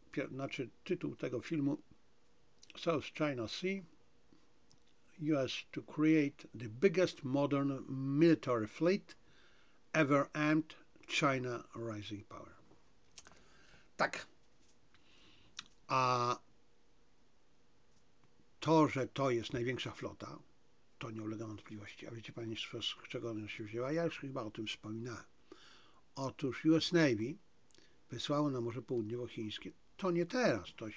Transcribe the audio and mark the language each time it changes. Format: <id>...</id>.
<pl>Znaczy tytuł tego filmu South China Sea.</pl> <en>US to create the biggest modern military fleet ever armed China rising power.</en> <pl>Tak. A to, że to jest największa flota, to nie ulega wątpliwości. A wiecie Państwo, z czego ona się wzięła? Ja już chyba o tym wspominałem. Otóż US Navy wysłało na Morze Południowochińskie. To nie teraz.</pl>